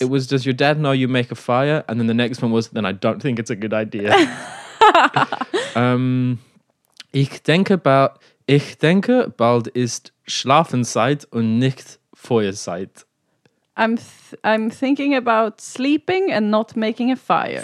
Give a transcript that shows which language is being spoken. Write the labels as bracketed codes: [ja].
[en] It was, does your dad know you make a fire? And then the next one was, then I don't think it's a good idea. [de] Ich denke, bald ist Schlafenszeit und nicht Feuerzeit. [en] I'm thinking about sleeping and not making a fire.